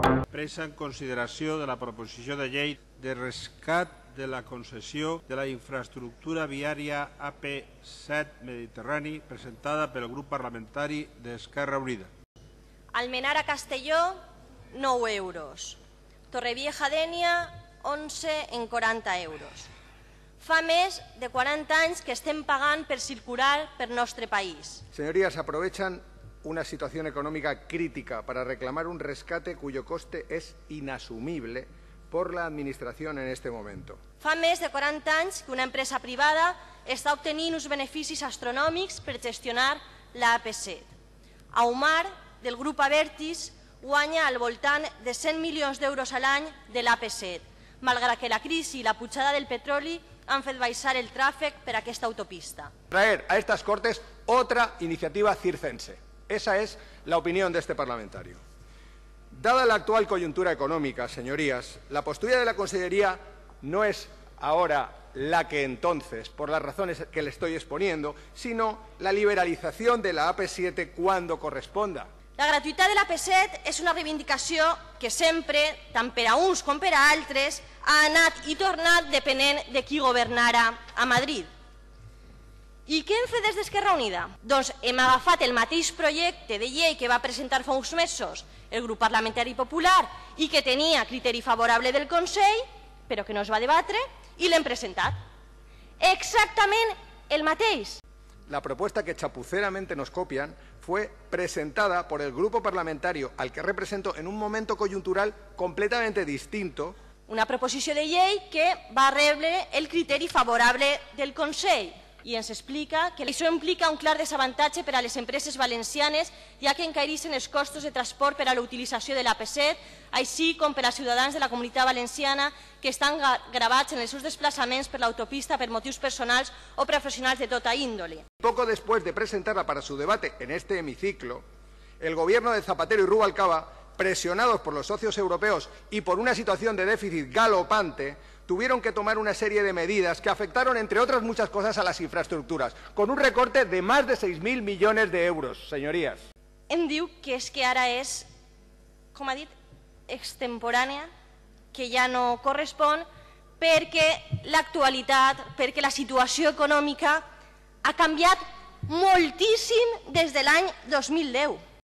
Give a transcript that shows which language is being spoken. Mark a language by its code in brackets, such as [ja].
[ca] Presa en consideració de la proposició de llei de rescat de la concessió de la infraestructura viària AP7 Mediterrani presentada pel grup parlamentari d'Esquerra Unida. Almenara Castelló, 9 euros. Torrevieja Dénia, 11 en 40 euros. Fa més de 40 anys que estem pagant per circular per nostre país. [es] Señorías, aprovechan una situación económica crítica para reclamar un rescate cuyo coste es inasumible por la administración en este momento. [ca] Fa més de 40 anys que una empresa privada està obtenint uns beneficis astronòmics per gestionar la AP7. Aumar, del grup Abertis, guanya al voltant de 100 milions d'euros a l'any de l'AP7, malgrat que la crisi i la pujada del petroli han fet baixar el tràfic per aquesta autopista. [es] Traer a estas Cortes otra iniciativa circense. Esa es la opinión de este parlamentario. Dada la actual coyuntura económica, señorías, la postura de la Consellería no es ahora la que entonces, por las razones que le estoy exponiendo, sino la liberalización de la AP7 cuando corresponda. La gratuidad de la AP7 es una reivindicación que siempre, [ca] tant per a uns com per a altres, ha anat i tornat depenent de qui gobernara a Madrid. [es] ¿Y qué [ca] hem fet des d'Esquerra Unida? Doncs hem agafat el mateix projecte de llei que va presentar fa uns mesos el grup parlamentari popular i que tenia criteri favorable del Consell, però que no es va debatre, i l'hem presentat. Exactament el mateix. [es] La proposta que chapuceramente nos copian fue presentada por el grupo parlamentario al que represento en un momento coyuntural completamente distinto. [ca] Una proposició de llei que va rebre el criteri favorable del Consell. I ens explica que això implica un clar desavantatge per a les empreses valencianes, ja que encareixen els costos de transport per a l'utilització de l'AP7, així com per als ciutadans de la comunitat valenciana que estan gravats en els seus desplaçaments per l'autopista per motius personals o professionals de tota índole. [es] Poco después de presentarla para su debate en este hemiciclo, el gobierno de Zapatero y Rubalcaba, presionados por los socios europeos y por una situación de déficit galopante, tuvieron que tomar una serie de medidas que afectaron, entre otras muchas cosas, a las infraestructuras, con un recorte de más de 6.000 millones de euros, señorías. [ca] Em diu que es que ara és, com ha dit, extemporània, que ja no correspon, perquè l'actualitat, perquè la situació econòmica ha canviat moltíssim des de l'any 2010.